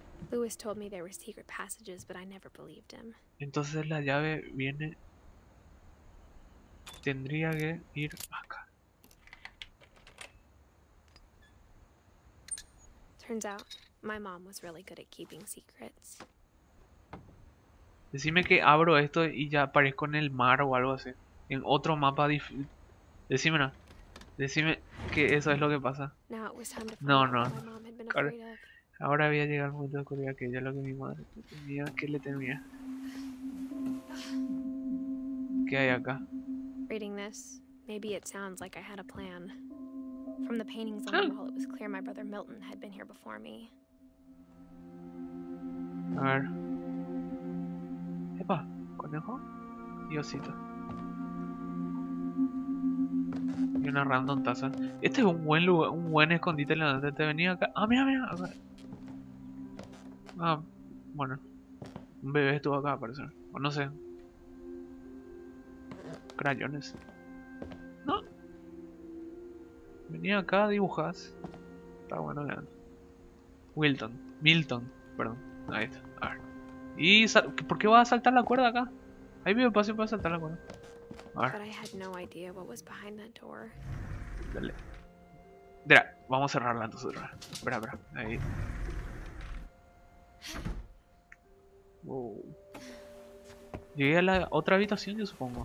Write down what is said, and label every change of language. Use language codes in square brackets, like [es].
[en] Lewis told me there were secret passages, but I never believed him. [es] Entonces la llave viene. Tendría que ir acá. [en] Turns out, my mom was really good at keeping secrets. [es] Decime que abro esto y ya aparezco en el mar o algo así. En otro mapa difícil. Decímelo. Decime que eso es lo que pasa. [en] Now it was time to find [es] No, [en] out what [es] no. [en] my mom had been afraid of. [es] Ahora había llegado el momento de descubrir aquello a lo que mi madre tenía, que le temía. ¿Qué hay acá? [en] Reading this, maybe it sounds like I had a plan. From the paintings on the wall, it was clear my brother Milton had been here before me. [es] A ver. Epa, conejo y osito. Y una random taza. Este es un buen lugar, un buen escondite en donde te venía acá. Ah, mira, mira. Acá. Ah, bueno. Un bebé estuvo acá, parece. O no sé. Crayones. Venía acá, dibujas. Está bueno, vean. Wilton. Milton. Perdón. Ahí está. A ver. Y sal. ¿Por qué vas a saltar la cuerda acá? Ahí vive espacio para saltar la cuerda. A ver. [en] But I had no idea what was behind that door. [es] Dale. Espera, vamos a cerrarla entonces. Espera, espera. Ahí. Wow. Llegué a la otra habitación, yo supongo.